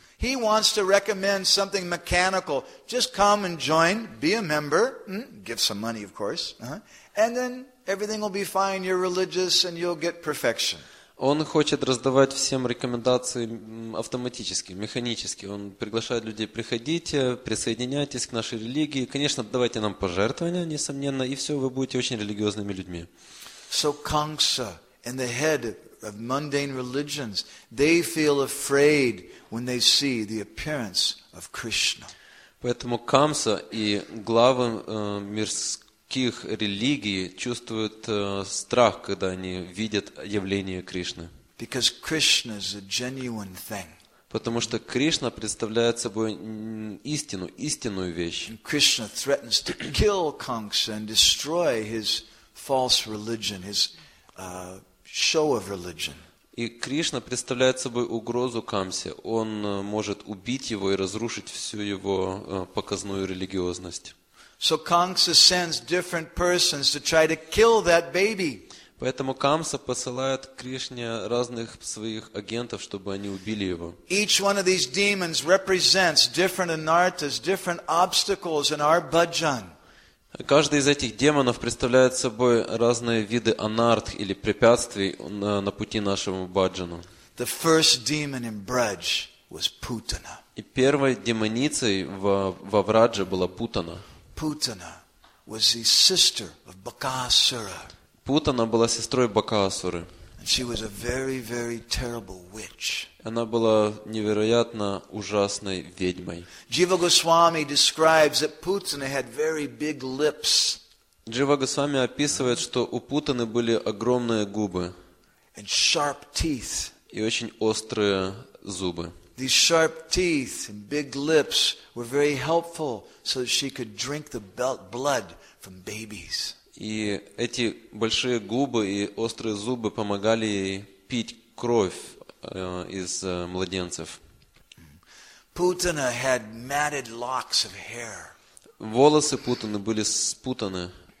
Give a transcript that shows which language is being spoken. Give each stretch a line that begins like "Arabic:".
English: He wants to recommend something mechanical. Just come and join, be a member, give some money, of course, and then everything will be fine, you're religious and you'll get perfection.
Russian: Он хочет раздавать всем рекомендации автоматически, механически. Он приглашает людей: приходите, присоединяйтесь к нашей религии. Конечно, давайте нам пожертвования, несомненно, и все, вы будете очень религиозными людьми.
English: So Kamsa and the head of mundane religions, they feel afraid when they see the appearance of Krishna.
Russian: Поэтому Камса и главы мирских религий чувствуют страх, когда они видят явление Кришны.
English: Because Krishna is a genuine thing.
Russian: Потому что Кришна представляет собой истину, истинную вещь.
English: And Krishna threatens to kill Kamsa and destroy his false religion, his show of religion.
Russian: И Кришна представляет собой угрозу Камсе. Он может убить его и разрушить всю его показную религиозность.
English: So Kamsa sends different persons to try to kill that baby.
Russian: Поэтому Камса посылает Кришне разных своих агентов, чтобы они убили его.
English: Each one of these demons represents different anartas, different obstacles in our bhajan.
Russian: Каждый из этих демонов представляет собой разные виды анарт или препятствий на пути нашему бхаджану.
English: The first demon in Braj was Putana.
Russian: И первой демоницей во Врадже была Путана.
English: Putana was the sister of Bakasura.
Russian: Путана была сестрой Бакасуры.
English: And she was a very, very terrible witch.
Russian: Она была невероятно ужасной ведьмой.
English: Jiva Goswami describes that Putana had very big lips.
Russian: Jiva Goswami описывает, что у Путаны были огромные губы.
English: And sharp teeth.
Russian: И очень острые зубы.
English: These sharp teeth and big lips were very helpful so that she could drink the blood from babies.
Russian: И эти большие губы и острые зубы помогали ей пить кровь из младенцев.
English: Putana had matted locks of hair.
Russian: Волосы путаны, были спутаны.